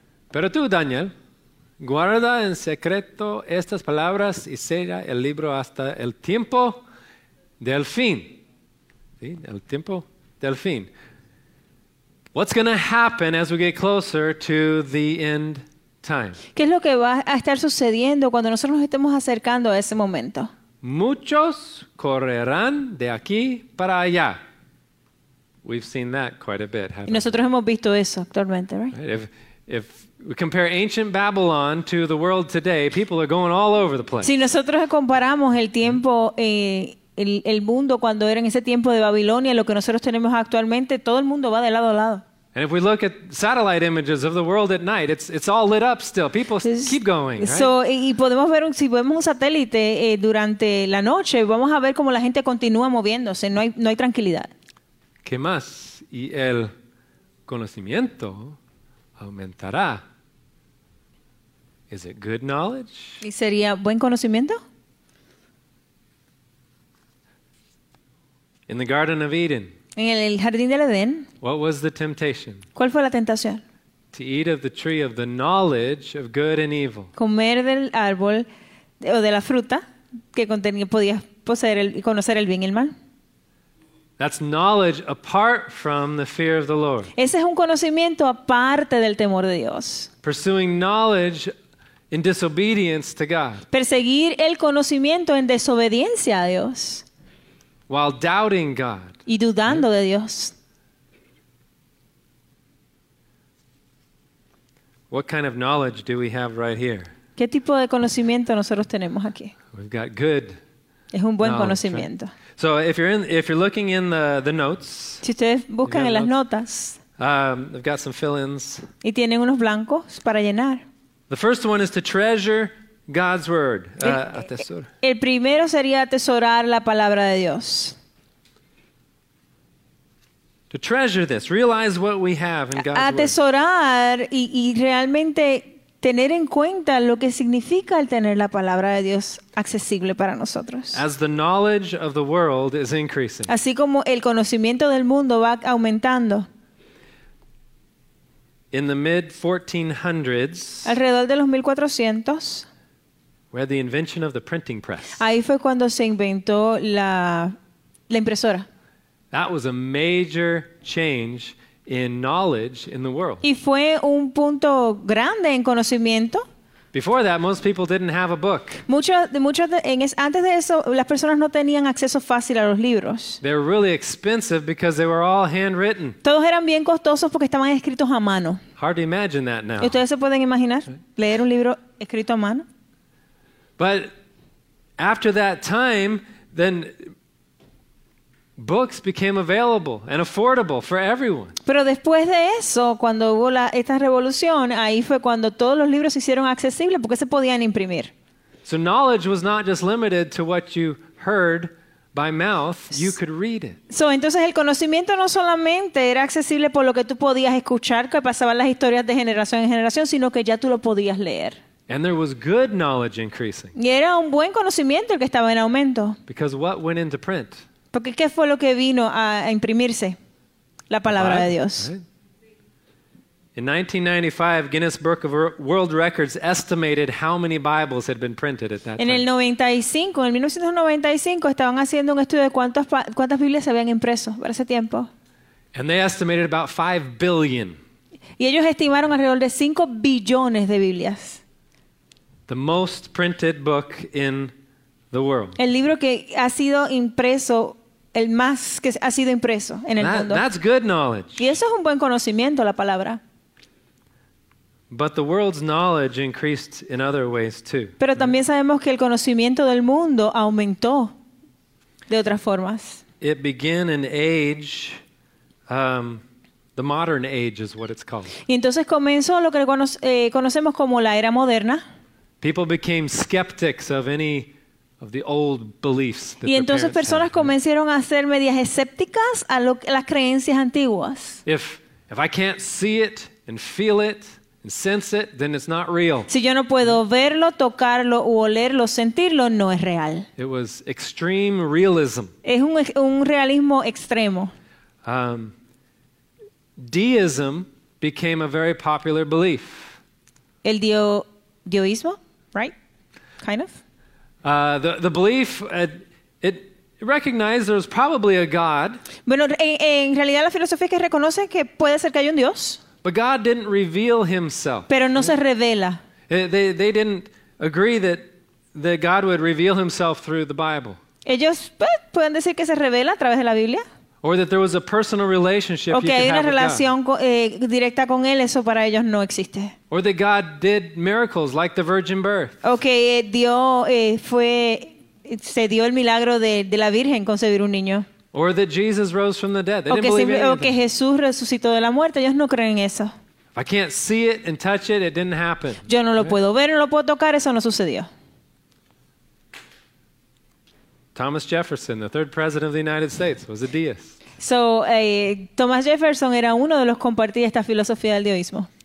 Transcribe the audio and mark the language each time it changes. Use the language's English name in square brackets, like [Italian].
[Spanish] Pero tú, Daniel, guarda en secreto estas palabras y sella el libro hasta el tiempo del fin. ¿Sí? El tiempo del fin. [English] What's going to happen as we get closer to the end time? [Spanish] ¿Qué es lo que va a estar sucediendo cuando nosotros nos estemos acercando a ese momento? Muchos correrán de aquí para allá. [English] We've seen that quite a bit, haven't we? [Spanish] Nosotros hemos visto eso actualmente, [English] right? If we compare ancient Babylon to the world today, people are going all over the place. [Spanish] Si nosotros comparamos el tiempo el mundo cuando era en ese tiempo de Babilonia, lo que nosotros tenemos actualmente, todo el mundo va de lado a lado. [English] And if we look at satellite images of the world at night, it's all lit up still. People keep going, right? [Spanish] So, y podemos ver, si vemos un satélite durante la noche, vamos a ver cómo la gente continúa moviéndose. No hay tranquilidad. ¿Qué más? Y el conocimiento aumentará. [English] Is it good knowledge? [Spanish] ¿Y sería buen conocimiento? [English] In the Garden of Eden. [Spanish] En el jardín del Edén. [English] What was the temptation? [Spanish] ¿Cuál fue la tentación? [English] To eat of the tree of the knowledge of good and evil. [Spanish] Comer del árbol o de la fruta que contenía podías poseer el conocer el bien y el mal. [English] That's knowledge apart from the fear of the Lord. [Spanish] Ese es un conocimiento aparte del temor de Dios. [English] Pursuing knowledge in disobedience to God. [Spanish] Perseguir el conocimiento en desobediencia a Dios. [English] While doubting God. [Spanish] Y dudando de Dios. [English] What kind of knowledge do we have right here? [Spanish] ¿Qué tipo de conocimiento nosotros tenemos aquí? [English] We've got good. [Spanish] Es un buen conocimiento. [English] Right. So if you're looking in the notes, [Spanish] si ustedes buscan en las notas, [English] I've got some fill-ins. [Spanish] Y tienen unos blancos para llenar. [English] The first one is to treasure God's word. [Spanish] El primero sería atesorar la palabra de Dios. [English] To treasure this, realize what we have in God's [Spanish] atesorar [English] word. [Spanish] Atesorar y realmente tener en cuenta lo que significa el tener la palabra de Dios accesible para nosotros. [English] As the knowledge of the world is increasing. [Spanish] Así como el conocimiento del mundo va aumentando. [English] In the mid-1400s, [Spanish] alrededor de los 1400s, [English] where the invention of the printing press. [Spanish] Ahí fue cuando se inventó la impresora. [English] That was a major change in knowledge in the world. [Spanish] Y fue un punto grande en conocimiento. [English] Before that, most people didn't have a book. [Spanish] Antes de eso, las personas no tenían acceso fácil a los libros. [English] They were really expensive because they were all handwritten. [Spanish] Todos eran bien costosos porque estaban escritos a mano. [English] Hard to imagine that now. [Spanish] ¿Ustedes se pueden imaginar leer un libro escrito a mano? [English] But after that time, then books became available and affordable for everyone. [Spanish] Pero después de eso, cuando hubo esta revolución, ahí fue cuando todos los libros se hicieron accesibles porque se podían imprimir. [English] So knowledge was not just limited to what you heard by mouth, you could read it. [Spanish] So entonces el conocimiento no solamente era accesible por lo que tú podías escuchar, que pasaban las historias de generación en generación, sino que ya tú lo podías leer. [English] And there was good knowledge increasing. [Spanish] Y era un buen conocimiento el que estaba en aumento. [English] Because what went into print? [Spanish] Porque ¿qué fue lo que vino a imprimirse? La palabra de Dios. [English] In 1995, Guinness Book of World Records estimated how many Bibles had been printed at that time. [Spanish] En 1995 estaban haciendo un estudio de cuántas Biblias se habían impreso para ese tiempo. [English] And they estimated about 5 billion. [Spanish] Y ellos estimaron alrededor de 5 billones de Biblias. [English] The most printed book in the world. [Spanish] El libro que ha sido impreso, el más que ha sido impreso en el mundo. [English] That's good knowledge. [Spanish] Y eso es un buen conocimiento, la palabra. [English] But the world's knowledge increased in other ways too. [Spanish] Pero también sabemos que el conocimiento del mundo aumentó de otras formas. [English] It began an age, the modern age is what it's called. [Spanish] Y entonces comenzó lo que conocemos como la era moderna. [English] People became skeptics of any of the old beliefs that [Spanish] y entonces personas [English] had. [Spanish] Comenzaron a ser medias escépticas a las creencias antiguas. [English] If I can't see it and feel it and sense it, then it's not real. [Spanish] Si yo no puedo verlo, tocarlo u olerlo, sentirlo, no es real. [English] It was extreme realism. [Spanish] Es un realismo extremo. [English] Deism became a very popular belief. [Spanish] El dioísmo, [English] right? Kind of. The belief it recognized there was probably a God. [Spanish] Bueno, en realidad la filosofía es que reconoce que puede ser que haya un Dios. [English] But God didn't reveal himself. [Spanish] Pero no se revela. [English] They didn't agree that God would reveal himself through the Bible. [Spanish] Ellos pueden decir que se revela a través de la Biblia. [English] Or that there was a personal relationship you could have with God. [Spanish] O que hay una relación directa con él, eso para ellos no existe. [English] Or that God did miracles like the virgin birth. [Spanish] O que se dio el milagro de la virgen concebir un niño. [English] Or that Jesus rose from the dead. They didn't believe anything. [Spanish] O que Jesús resucitó de la muerte, ellos no creen en eso. [English] If I can't see it and touch it, it didn't happen. [Spanish] Yo no lo puedo ver, no lo puedo tocar, eso no sucedió. [English] Thomas Jefferson, the third president of the United States, was a deist. [Spanish] So, Thomas Jefferson era uno de los que compartía esta filosofía del deísmo.